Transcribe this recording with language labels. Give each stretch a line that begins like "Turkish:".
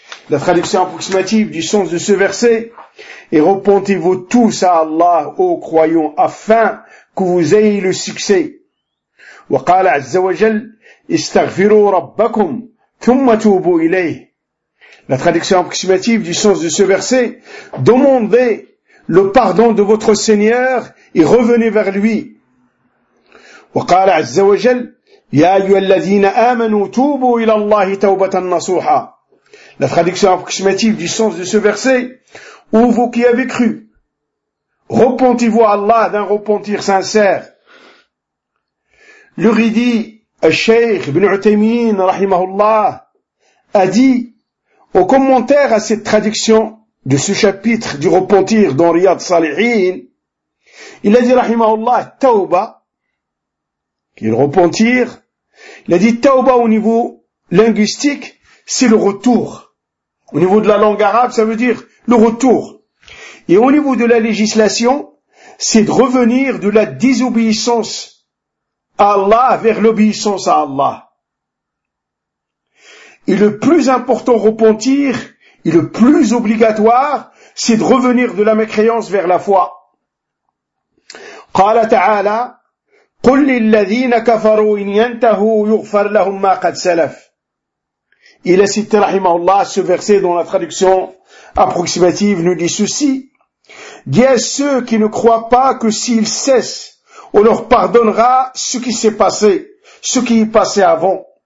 French: La traduction approximative du sens de ce verset est « Repentez-vous tous à Allah, ô croyants, afin que vous ayez le succès. »
Arabic: وَقَالَ عَزَّ وَجَلْ استغفروا ربكم ثم توبوا إليه.
French: La traduction approximative du sens de ce verset, demandez le pardon de votre Seigneur et revenez vers lui.
Arabic: وقال عز وجل يا أيها الذين آمنوا توبوا إلى الله توبة نصوحة.
French: La traduction approximative du sens de ce verset, ô vous qui avez cru, repentez-vous à Allah d'un repentir sincère. Lui dit Al-Shaykh Ibn Uthaymeen, rahimahullah, a dit, au commentaire à cette traduction de ce chapitre du repentir dans Riyad Salihin, il a dit, rahimahullah, tauba, qui est le repentir, il a dit, tauba au niveau linguistique, c'est le retour. Au niveau de la langue arabe, ça veut dire le retour. Et au niveau de la législation, c'est de revenir de la désobéissance Allah vers l'obéissance à Allah. Et le plus important repentir, et le plus obligatoire, c'est de revenir de la mécréance vers la foi.
Arabic: قال تعالى قل للذين كفروا إن ينتهوا يغفر لهم ما قد سلف.
French: Il a cité, rahimahullah, ce verset dont la traduction approximative nous dit ceci. Dis à ceux qui ne croient pas que s'ils cessent, on leur pardonnera ce qui s'est passé, ce qui est passé avant.